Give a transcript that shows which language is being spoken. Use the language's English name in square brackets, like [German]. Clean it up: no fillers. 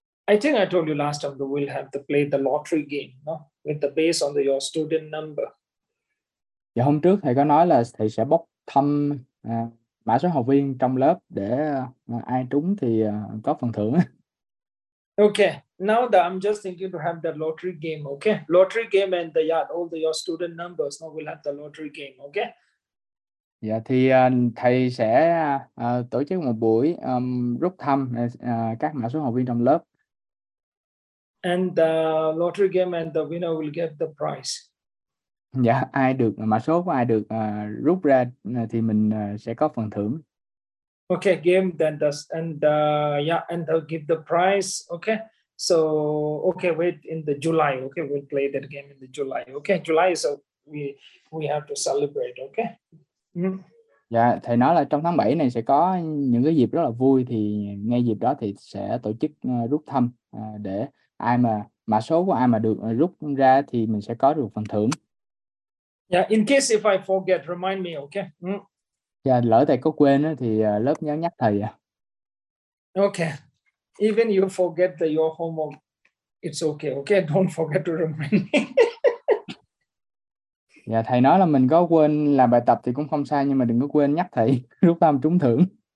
[English] I think I told you last time that we'll have to play the lottery game, no? With the base on your student number. [Vietnamese] Dạ, hôm trước thầy có nói là thầy sẽ bốc thăm mã số học viên trong lớp để ai trúng thì có phần thưởng. [English] Okay, now that I'm just thinking to have the lottery game, okay? Lottery game and the yard, all the your student numbers, now we'll have the lottery game, okay? [Vietnamese] Dạ, thì thầy sẽ tổ chức một buổi rút thăm các mã số học viên trong lớp. [English] And the lottery game and the winner will get the prize. [Vietnamese] Dạ, ai được mã số của ai được rút ra thì mình sẽ có phần thưởng. [English] Okay, game then does and yeah, and they'll give the prize. Okay, so okay, wait in the July. Okay, we'll play that game in the July. Okay, July is so we have to celebrate. Okay. [Vietnamese] Dạ, thầy nói là trong tháng 7 này sẽ có những cái dịp rất là vui, thì ngay dịp đó thì sẽ tổ chức rút thăm để ai mà mã số của ai mà được rút ra thì mình sẽ có được phần thưởng. [English] Yeah, in case if I forget, remind me, okay? [Vietnamese] Dạ, lỡ thầy có quên á thì lớp nhớ nhắc thầy ạ. [English] Okay. Even you forget the your homework, it's okay. Don't forget to remind [Vietnamese] Dạ, thầy nói là mình có quên làm bài tập thì cũng không sai, nhưng mà đừng có quên nhắc thầy lúc tâm trúng thưởng.